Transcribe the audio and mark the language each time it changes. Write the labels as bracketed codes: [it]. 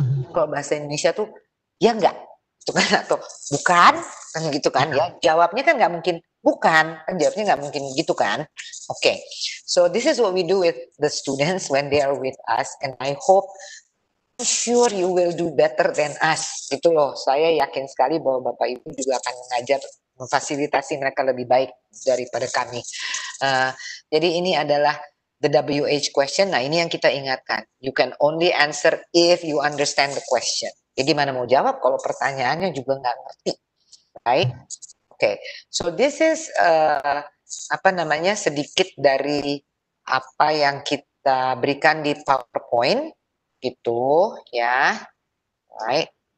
[id] Kalau bahasa Indonesia tuh, ya enggak, itu kan, atau bukan, kan gitu kan, ya, jawabnya kan enggak mungkin, bukan, kan jawabnya enggak mungkin gitu kan. [en] Oke, okay. So this is what we do with the students when they are with us, and I hope sure you will do better than us. [id] Itu loh, saya yakin sekali bahwa Bapak Ibu juga akan mengajar, memfasilitasi mereka lebih baik daripada kami. Jadi ini adalah [en] the WH question. [id] Nah, ini yang kita ingatkan. [en] You can only answer if you understand the question. [id] Ya, gimana mau jawab kalau pertanyaannya juga nggak ngerti? [en] Right? Okay. So this is [id] sedikit dari apa yang kita berikan di PowerPoint gitu ya. Right.